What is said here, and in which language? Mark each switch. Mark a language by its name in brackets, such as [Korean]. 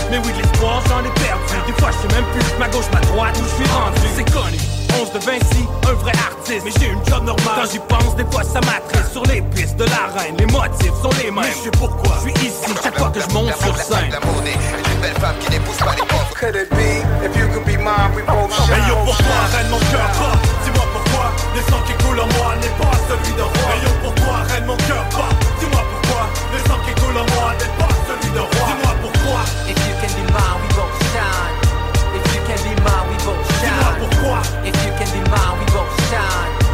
[French] mais oui, de l'espoir, j'en ai perdu. Des fois, je sais même plus ma gauche, ma droite, où je suis rendu. C'est connu. 11 de Vinci, un vrai artiste. Mais j'ai une job normale. Quand j'y pense, des fois ça m'attriste. Sur les pistes de la reine, les motifs sont les mêmes. Mais je sais pourquoi, je suis ici chaque fois que je monte sur scène. La monnaie est une belle femme qui n'épouse pas les pauvres. [English] Could it be, if you could be mine, we both shine. Hey yo, [French] pourquoi reine mon cœur bat? Dis-moi pourquoi, le sang qui coule en moi n'est pas celui d'un roi. [English] Hey yo, [French] pourquoi reine mon cœur bat? Dis-moi pourquoi, le sang qui coule en moi n'est pas celui d'un roi. Dis-moi pourquoi, [English] if you can be mine, we both shine. If you can be mine, we both shine. If you can be mine, we both shine.